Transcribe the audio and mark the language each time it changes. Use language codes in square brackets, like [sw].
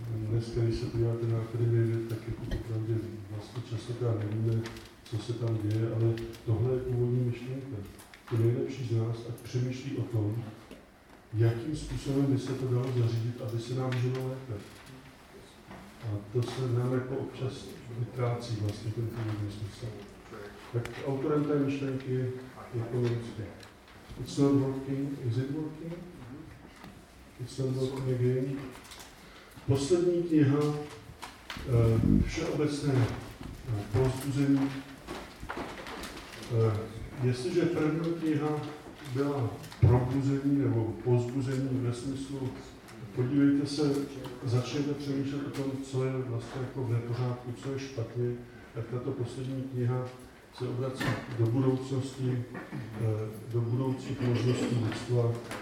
[cs] Dneska, když se podíváte na akademii věd, tak jako popravdě vlastně častokrát nevíme, co se tam děje, ale tohle je původní myšlenka. To nejlepší z nás, ať přemýšlí o tom, jakým způsobem by se to dalo zařídit, aby se nám žilo lépe. A to se nám jako občas vytrácí vlastně ten původní smysl. Tak autorem té myšlenky je Komenský. [en] It's not working, is it working? It's not working again. [cs] Poslední kniha, všeobecné povzbuzení. Jestliže první kniha byla probuzení nebo povzbuzení ve smyslu, podívejte se, začněte přemýšlet o tom, co je vlastně jako v nepořádku, co je špatně, tak tato poslední kniha se obrací do budoucnosti, do budoucích možností lidstva.